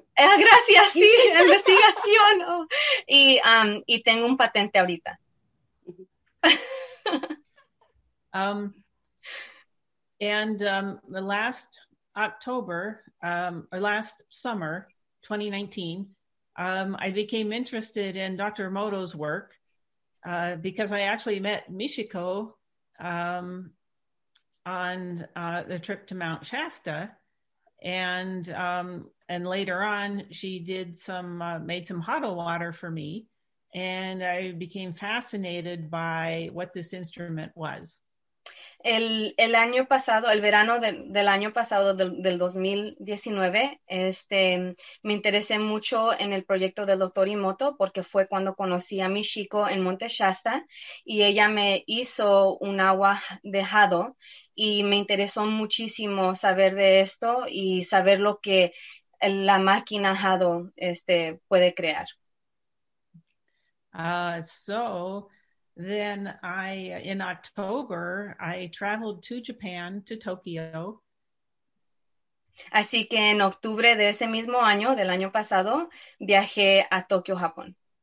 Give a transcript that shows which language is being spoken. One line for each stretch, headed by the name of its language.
Spanish: Gracias, sí, investigación. Oh. Y tengo un patente ahorita.
English: Last October, or last summer, 2019, I became interested in Dr. Emoto's work because I actually met Michiko on the trip to Mount Shasta, and later on she did made some HODL water for me, and I became fascinated by what this instrument was.
Spanish: El año pasado, el verano del año pasado, del 2019, me interesé mucho en el proyecto del Dr. Emoto porque fue cuando conocí a Michiko en Monte Shasta y ella me hizo un agua de HODL y me interesó muchísimo saber de esto y saber lo que la máquina HODL puede crear.
English: So Then in October, I traveled to Japan, to Tokyo.
Spanish: Así que en octubre de ese mismo año, del año pasado, viajé a Tokio, Japón.